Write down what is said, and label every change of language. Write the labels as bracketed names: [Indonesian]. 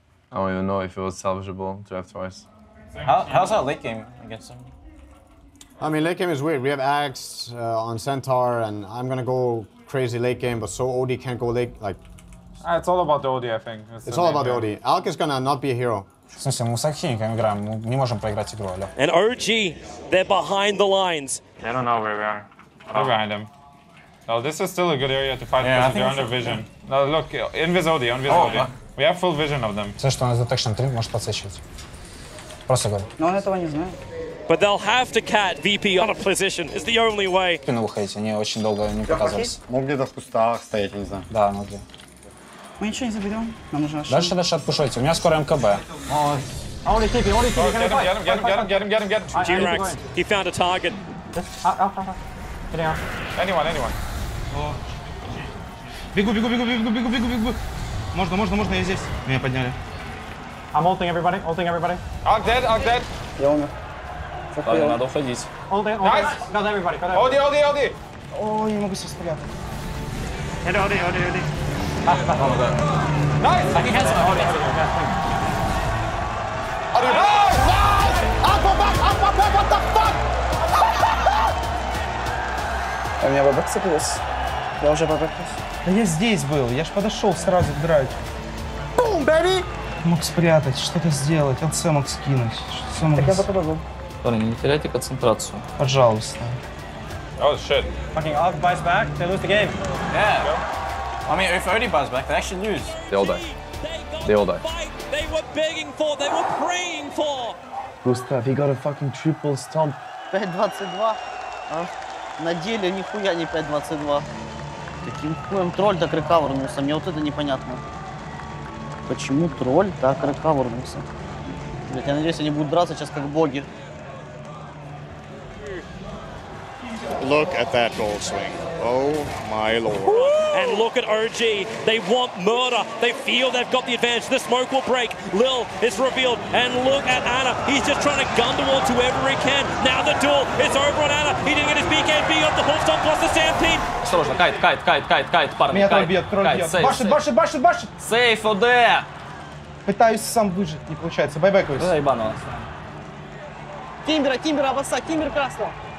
[English] I don't even know if it was salvageable to have twice. How's our late game against them? I mean, late game is weird. We have Axe on Centaur, and I'm gonna go crazy late game, but so OD can't go late. Like, it's all about the OD, I think. It's all about the OD. Alk is gonna not be a hero. [Russian] В смысле, мы с Алхимиками играем, мы не можем проиграть игру, алё. [English] And OG, they're behind the lines. They don't know where we are. We're behind him. No, this is still a good area to fight because they're under vision. No, look, Invis OD. We have full vision of them. [Russian] Все, что у нас detection 3, может подсвечивать. Просто говорю. Но он этого не знает. [English] But they'll have to cat VP out of position. It's the only way. [Russian] Спину выходите, они очень долго не показывались. Мог где-то в кустах стоять, не знаю. Да, ну где. Мы ничего не заберем, нам нужно... Дальше отпушивайте, у меня скоро МКБ. Ой. [English] I want to keep him, I want to keep him. Get him, get him, get him, get him, get him, get him, get him. G-Rex, he found a target. Anyone, anyone. [Russian] Бегу, бегу, бегу, бегу, бегу, бегу, бегу. Можно, можно, можно, я здесь. Меня подняли. [English] I'm ulting everybody, ulting everybody. Ark dead, Ark dead. [Russian] Я умер. Ладно, надо уходить. [English] Ulting, ulting. Nice. Got everybody, got everybody. Ulti, ulti, ulti. [Russian] Ой, я не могу сейчас стрелять. [English] Hit ulti, ulti, ulti. Nice. I think he has an ulti. Ulti, ulti. [Russian] А у меня ВБ циклус. Я уже ВБ циклус. Да я здесь был, я ж подошел сразу к драйву. Бум, бэби! Мог спрятать, что-то сделать, отце мог скинуть. Что-то так я попробовал. Парни, не теряйте концентрацию. Пожалуйста. [English] Oh, shit. Fucking Ark buys back, they lose the game. Yeah. I mean, if Odie buys back, they actually lose. They all die. They all die. They were begging for, they were praying for. Gustav, he got a fucking triple stomp. [Russian] 5-22. На деле нихуя не 5-22. Таким хуем тролль так рекавернулся. Мне вот это непонятно. Почему тролль так рекавернулся? Блять, я надеюсь, они будут драться сейчас как боги. [English] Look at that goal swing. Oh my lord. And look at OG. They want murder. They feel they've got the advantage. The smoke will break. Lil is revealed. And look at Anna. He's just trying to gun the wall to wherever he can. Now the duel is over on Anna. He didn't get his BKB off the hookstone plus the stampede. [Russian] Осторожно, кайт, кайт, кайт, кайт, кайт, парни. Меня там бьет, кроль бьет. Башит, башит, башит, башит. Сейф ОД. Пытаюсь сам выжить, не получается. Байбекаюсь. Да, ебанулся. Тимбера, Тимбера, Абаса, Тимбер красного.